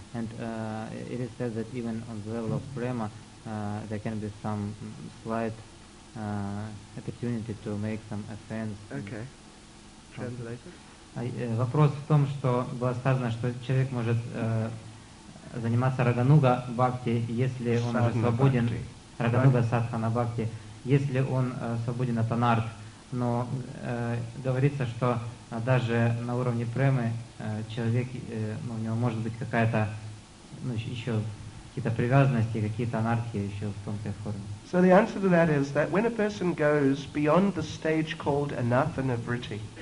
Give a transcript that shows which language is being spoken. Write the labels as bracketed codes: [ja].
[en] And it is said that even on the level of prema, there can be some slight opportunity to make some offense. Okay. Translated. [ru] Вопрос в том, что было сказано, что человек может заниматься Рагануга Бхакти, если он уже свободен, Рагануга Садхана Бхакти, если он свободен от анарт. Но говорится, что даже на уровне премы человек, ну, у него может быть какая-то, ну, еще какие-то привязанности, какие-то анартхи еще в тонкой форме. [en] So the answer to that is that when a person goes beyond the stage called Anathana Vritti,